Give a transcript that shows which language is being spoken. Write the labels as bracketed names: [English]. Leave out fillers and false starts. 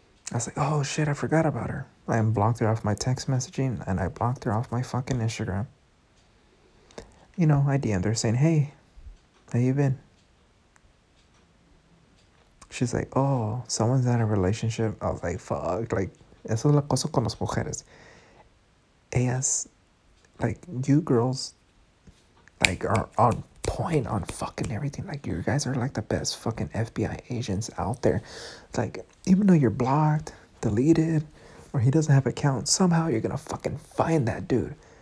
[English] I was like, oh shit, I forgot about her. I blocked her off my text messaging and I blocked her off my fucking Instagram. You know, I DM'd her saying, hey, how you been? She's like, oh, someone's in a relationship. I was like, fuck. [Spanish] Like, eso es la cosa con las mujeres. Ellas, [English] like, you girls, like, are on point on fucking everything. Like, you guys are like the best fucking FBI agents out there. Like, even though you're blocked, deleted, or he doesn't have an account, somehow you're gonna fucking find that dude.